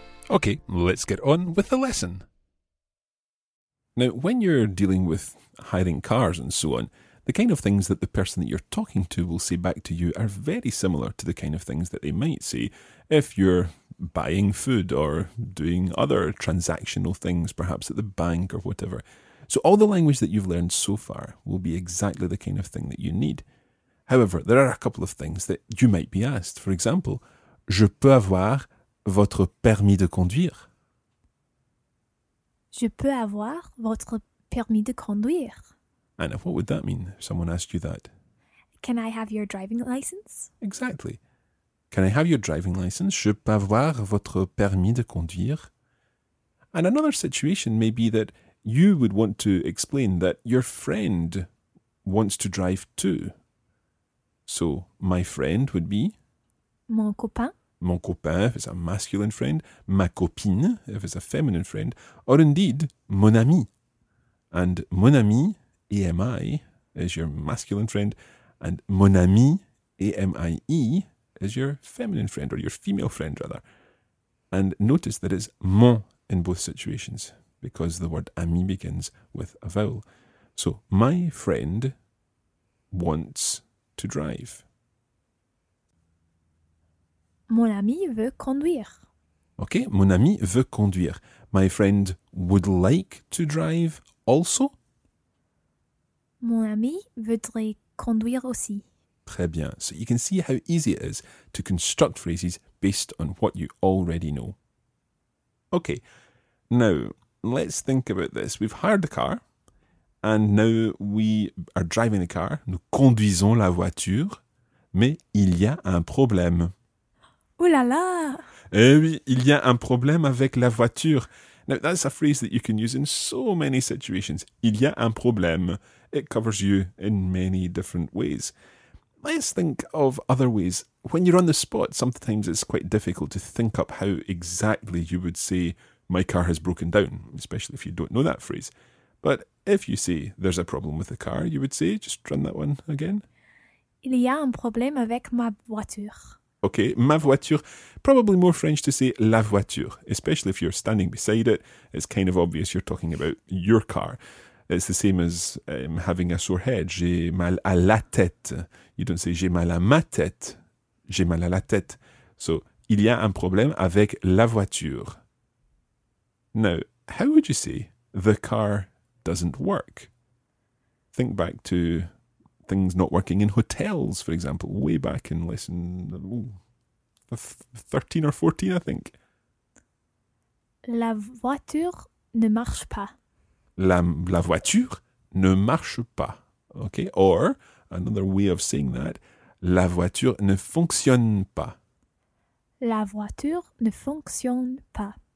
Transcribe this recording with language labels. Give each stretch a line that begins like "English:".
English: Okay, let's get on with the lesson. Now, when you're dealing with hiring cars and so on, the kind of things that the person that you're talking to will say back to you are very similar to the kind of things that they might say if you're buying food or doing other transactional things, perhaps at the bank or whatever. So all the language that you've learned so far will be exactly the kind of thing that you need. However, there are a couple of things that you might be asked. For example,
French: je peux avoir votre permis de conduire. Je peux avoir votre permis de conduire.
English: Anna, what would that mean if someone asked you that? Can I have your driving license? Exactly. Can I have your driving license?
French: Je peux avoir votre permis de conduire.
English: And another situation may be that you would want to explain that your friend wants to drive too. So, my friend would be?
French: Mon copain. mon copain,
English: if it's a masculine friend,
French: ma copine,
English: if it's a feminine friend, or indeed, mon ami. And mon ami, A-M-I, is your masculine friend, and mon ami, A-M-I-E, is your feminine friend, or your female friend, rather. And notice that it's mon in both situations, because the word ami begins with a vowel. So, my friend wants to drive.
French: Mon ami veut conduire. Okay, mon ami veut conduire.
English: My friend would like to drive also.
French: Mon ami voudrait conduire aussi. Très bien.
English: So you can see how easy it is to construct phrases based on what you already know. Okay, now let's think about this. We've hired the car and now we are driving the car.
French: Nous conduisons la voiture, mais il y a un problème. Oh là là! Eh oui, il y a un problème avec la voiture.
English: Now, that's a phrase that you can use in so many situations.
French: Il y a un problème.
English: It covers you in many different ways. Let's think of other ways. When you're on the spot, sometimes it's quite difficult to think up how exactly you would say, my car has broken down, especially if you don't know that phrase. But if you say, there's a problem with the car, you would say, just run that one again.
French: Il y a un problème avec ma voiture.
English: Okay, ma voiture, probably more French to say la voiture, especially if you're standing beside it. It's kind of obvious you're talking about your car. It's the same as having a sore head.
French: J'ai mal à la tête.
English: You don't say
French: j'ai mal à ma tête. J'ai mal à la tête. So, il y a un problème avec la voiture.
English: Now, how would you say the car doesn't work? Think back to things not working in hotels, for example, way back in lesson 13 or 14, I think.
French: La voiture ne marche pas. La voiture ne marche pas.
English: Okay, or another way of saying that,
French: la voiture ne fonctionne pas. La voiture ne fonctionne pas.